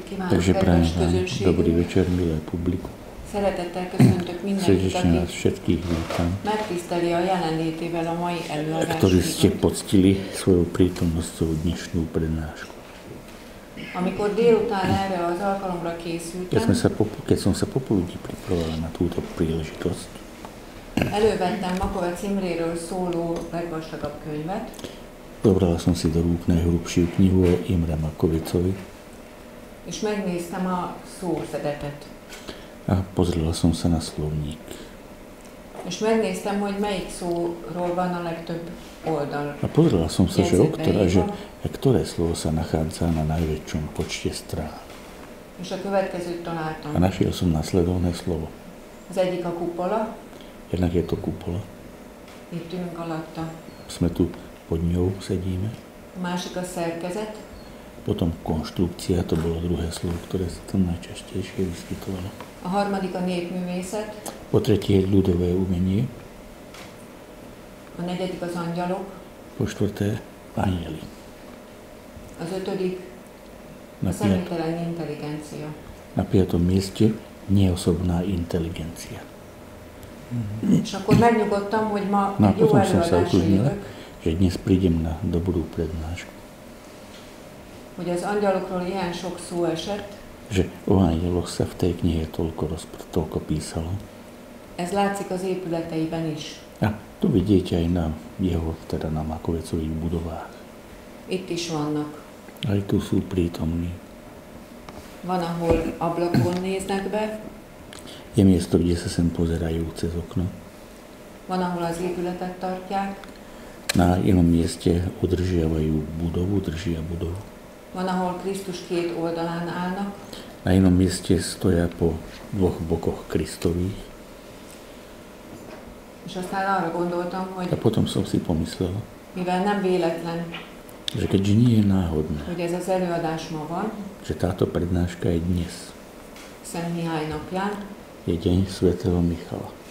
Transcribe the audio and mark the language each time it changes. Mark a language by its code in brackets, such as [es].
[sk] Takže prajem vám dobrý večer, milé publiku. [hu] Szeretettel köszöntök mindenkit, aki nás [sk] všetkých vítam. [hu] Megtiszteli a jelenlétével a mai előadásunkat. [sk] Ktorí ste poctili svojou prítomnosťou dnešnú prednášku. [hu] Amikor délután erre az alkalomra készültem, [sk] keď som sa popoludí pripravoval na túto príležitosť, [hu] elővettem Makovec Imréről szóló legvastagabb könyvet. [sk] Dobrala som si do rúk najhrubšiu knihu o Imre Makovecovi. [hu] És megnéztem a szószedetet. [sk] A pozrela som sa na slovník. [hu] És megnéztem, hogy melyik szóról van a legtöbb oldal. [sk] A pozrela som sa, ktoré slovo sa nachádza na najväčšom počte strán. [hu] És a következőt találtam. [sk] A našiel som nasledovné slovo. [hu] Az egyik a kupola. [sk] Jednak je to kupola. [hu] Itt ülünk alatta. [sk] Sme tu pod ňou, sedíme. [hu] A másik a szerkezet. [sk] Potom konštrukcia, to bolo druhé slovo, ktoré sa tam najčastejšie vyskytovalo. [hu] A harmadik a népművészet. [sk] Po tretie ľudové umenie. [hu] A negyedik az angyalok. [sk] Po štvrté anjeli. [hu] Az ötödik a személytelen inteligencia. [sk] Na piatom mieste neosobná inteligencia. [hu] És akkor megnyugodtam, hogy ma jó előadásra jövök. [sk] Na potom sa utúžnila, že dnes prídem na dobrú prednášku. [hu] Hogy az angyalokról ilyen sok szó esett. [sk] Že o angyaloch sa v tej knihe toľko písalo. [hu] Ez látszik az épületeiben is. [sk] A tu vidíte aj na jeho, teda na Makovecových budovách. [hu] Itt is vannak. [sk] Aj tu sú prítomní. [hu] Van, ahol ablakon néznek be. [sk] Je miesto, kde sa sem pozerajú cez okno. [hu] Van, ahol az épületet tartják. [sk] Na inom mieste udržiavajú budovu, držia budovu. [hu] Van, ahol Kristus két oldalán állnak. [sk] Na inom mieste stoja po dvoch bokoch Kristových. [hu] És aztán arra gondoltam, hogy... [sk] A potom som si pomyslel. [hu] Mivel nem véletlen. [sk] Že keďže nie je náhodné. [hu] Hogy ez az előadás ma van. [sk] Že táto prednáška je dnes. [hu] Szent Mihály napján. [sk] Je deň svätého Michala.